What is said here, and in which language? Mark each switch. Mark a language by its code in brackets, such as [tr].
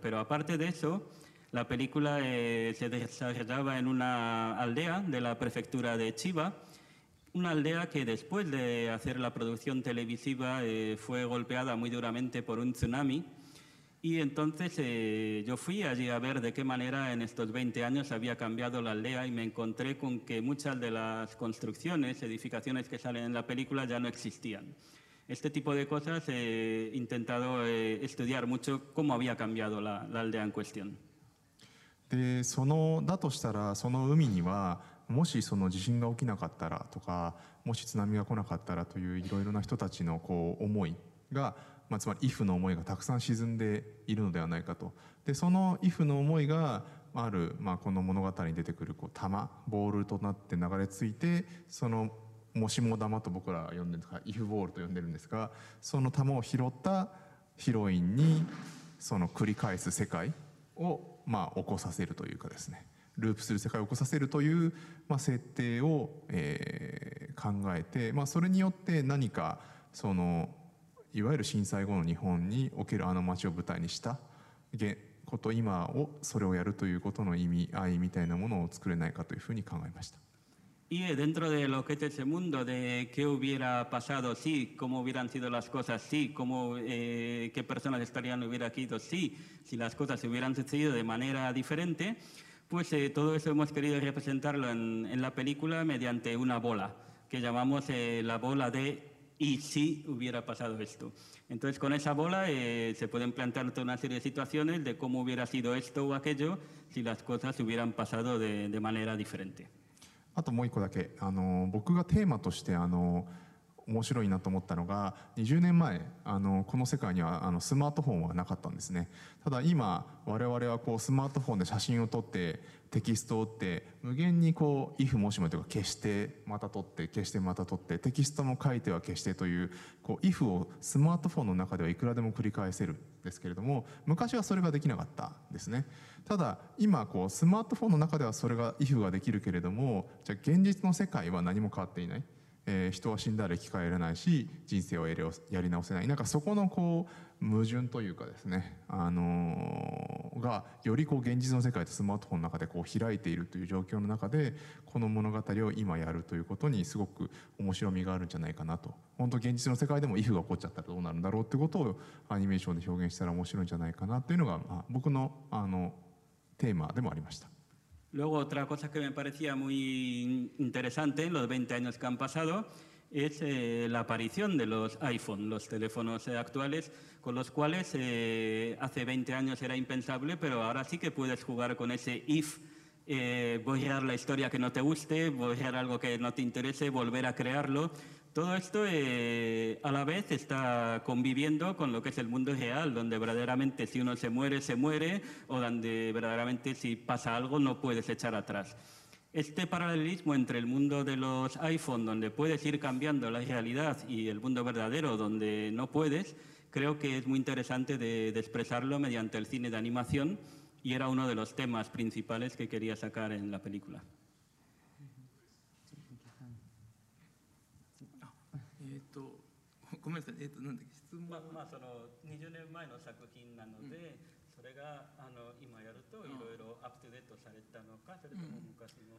[es] Pero aparte de eso, la película se desarrollaba en una aldea de la prefectura de Chiba, una aldea que después de hacer la producción televisiva fue golpeada muy duramente por un tsunami, y entonces yo fui allí a ver de qué manera en estos 20 años había cambiado la aldea, y me encontré con que muchas de las construcciones, edificaciones que salen en la película ya no existían. Este tipo de cosas he intentado estudiar mucho cómo había cambiado la aldea en cuestión. De eso, [ja] だとしたらその海にはもしその地震が起きなかったらとか、もし津波が来なかったらといういろいろな人たちのこう思いが、まあ、つまり IF の思いがたくさん沈んでいるのではないかと。でその IF の思いがある、まあ、この物語に出てくるこう玉ボールとなって流れ着いて、そのもしも玉と僕らは呼んでるとか IF ボールと呼んでるんですが、その玉を拾ったヒロインにその繰り返す世界を、まあ、起こさせるというかですね、ループする世界を起こさせるという、まあ、設定を、考えて、まあ、それによって何かそのいわゆる震災後の日本におけるあの街を舞台にしたこと、今をそれをやるということの意味合いみたいなものを作れないかというふうに考えました。 [es] Y dentro de lo que es ese mundo, de qué hubiera pasado, sí, cómo hubieran sido las cosas, sí, cómo, qué personas estarían hubiera aquí, sí, si las cosas se hubieran sucedido de manera diferente, pues todo eso hemos querido representarlo en la película mediante una bola, que llamamos la bola de y si hubiera pasado esto. Entonces con esa bola se pueden plantear toda una serie de situaciones de cómo hubiera sido esto o aquello si las cosas se hubieran pasado de manera diferente. [ja] あともう一個だけ、僕がテーマとして面白いなと思ったのが、20年前この世界にはスマートフォンはなかったんですね。ただ今我々はこうスマートフォンで写真を撮ってテキストを打って無限にこう if もしもというか消してまた撮って消してまた撮ってテキストも書いては消してというこう if をスマートフォンの中ではいくらでも繰り返せるんですけれども、昔はそれができなかったんですね。ただ今こうスマートフォンの中ではそれが if ができるけれども、じゃあ現実の世界は何も変わっていない、人は死んだら生き返れないし人生をやり直せない、なんかそこのこう矛盾というかですね、がよりこう現実の世界とスマートフォンの中でこう開いているという状況の中で、この物語を今やるということにすごく面白みがあるんじゃないかなと。本当現実の世界でも if が起こっちゃったらどうなるんだろうということをアニメーションで表現したら面白いんじゃないかなというのが、まあ、僕の、テーマでもありました。 [es] Luego otra cosa que me parecía muy interesante en los 20 años que han pasado es la aparición de los iPhone, los teléfonos actuales, con los cuales hace 20 años era impensable, pero ahora sí que puedes jugar con ese if, borrar la historia que no te guste, borrar algo que no te interese, volver a crearlo. Todo esto a la vez está conviviendo con lo que es el mundo real, donde verdaderamente si uno se muere, o donde verdaderamente si pasa algo no puedes echar atrás. Este paralelismo entre el mundo de los iPhone, donde puedes ir cambiando la realidad, y el mundo verdadero, donde no puedes, creo que es muy interesante de expresarlo mediante el cine de animación, y era uno de los temas principales que quería sacar en la película. [ja] ごめんなさい、なんだっけ、質問、まあ、その20年前の作品なので、うん、それが今やるといろいろアップデートされたのか、それとも昔の、